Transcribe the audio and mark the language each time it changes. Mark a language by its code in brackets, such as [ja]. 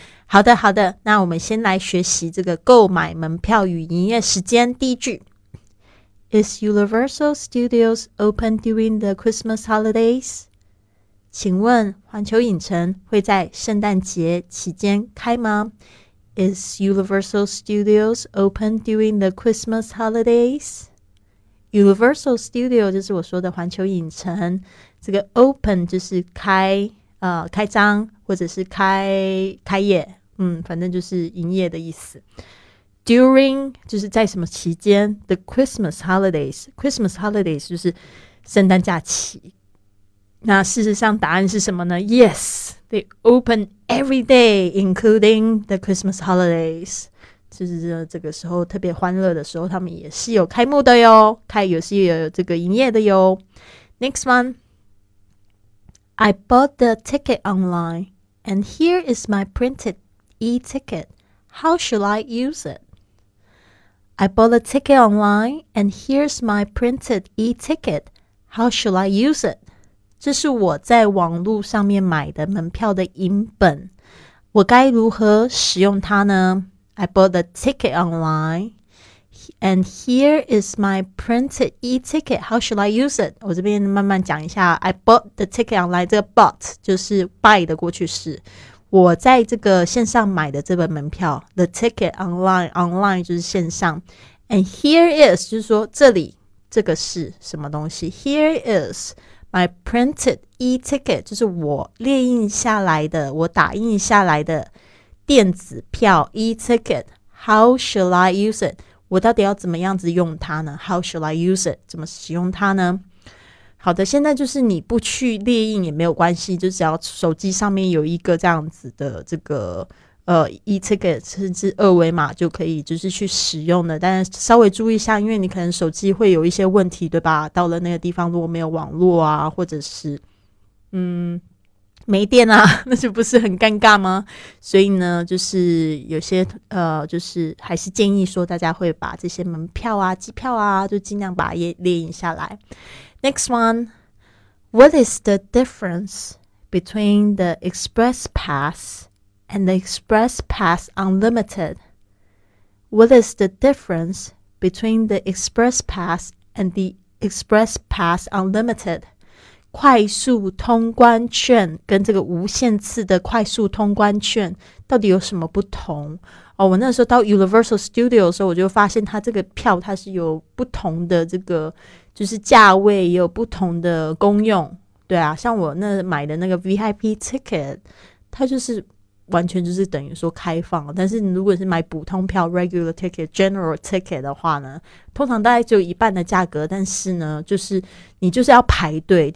[zh] 好的好的，那我们先来学习这个购买门票与营业时间。第一句， [en] Is Universal Studios open during the Christmas holidays? [zh] 请问环球影城会在圣诞节期间开吗？ [en] Is Universal Studios open during the Christmas holidays? [zh] Universal Studio 就是我说的环球影城，这个 open 就是开张或者是开业，反正就是营业的意思。 During 就是在什么期间 ？ [en] The Christmas holidays， [zh] Christmas holidays 就是圣诞假期。那事实上答案是什么呢 [en] ？Yes，they open every day, including the Christmas holidays。 [zh] 就是这个时候特别欢乐的时候，他们也是有开幕的哟，也是有这个营业的哟。 [en] Next one，I bought the ticket online, and here is my printed e-ticket. How should I use it? I bought a ticket online, and here's my printed e-ticket. How should I use it? [zh] 这是我在网路上面买的门票的影本，我该如何使用它呢？ [en] I bought a ticket online, and here is my printed e-ticket. How should I use it? [zh] 我这边慢慢讲一下。 [en] I bought the ticket online, [zh] 这个 bought 就是 buy 的过去式。我在这个线上买的这本门票 [en] The ticket online [zh] 就是线上 [en] And here is [zh] 就是说这里这个是什么东西 [en] Here is my printed e-ticket [zh] 就是我列印下来的我打印下来的电子票 e-ticket [en] How shall I use it [zh] 我到底要怎么样子用它呢 How shall I use it 怎么使用它呢好的，现在就是你不去列印也没有关系，就只要手机上面有一个这样子的这个e-ticket 甚至二维码就可以就是去使用的。但是稍微注意一下，因为你可能手机会有一些问题，对吧？到了那个地方如果没有网络啊，或者是没电啊，那就不是很尴尬吗？所以呢，就是有些就是还是建议说大家会把这些门票啊、机票啊，就尽量把它列印下来。 [en] Next one, what is the difference between the Express Pass and the Express Pass Unlimited? What is the difference between the Express Pass and the Express Pass Unlimited? [zh] 快速通关券跟这个无限次的快速通关券到底有什么不同？哦，我那时候到 Universal Studio 的时候，我就发现它这个票它是有不同的这个就是价位也有不同的功用，对啊，像我那买的那个 VIP ticket， 它就是完全就是等于说开放，但是你如果是买普通票 [en] regular ticket general ticket [zh] 的话呢，通常大概只有一半的价格，但是呢，就是你就是要排队。